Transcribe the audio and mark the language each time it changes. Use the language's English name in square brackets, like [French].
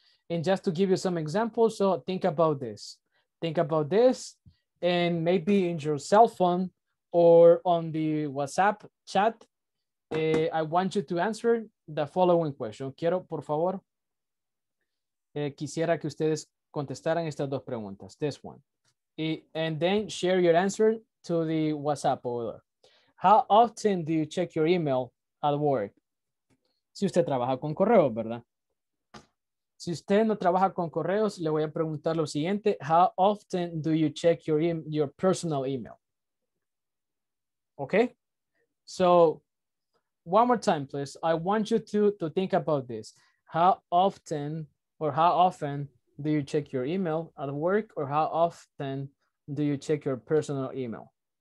[English] And just to give you some examples, so think about this. Think about this, and maybe in your cell phone or on the WhatsApp chat, I want you to answer the following question. [Spanish] Quiero, por favor, quisiera que ustedes contestaran estas dos preguntas, [English] this one. And then share your answer to the WhatsApp order. How often do you check your email at work? [Spanish] Si usted trabaja con correos, ¿verdad? Si usted no trabaja con correos, le voy a preguntar lo siguiente. [English] How often do you check your personal email? Okay. So one more time, please. I want you to think about this. How often or how often do you check your email at work, or how often do you check your personal email?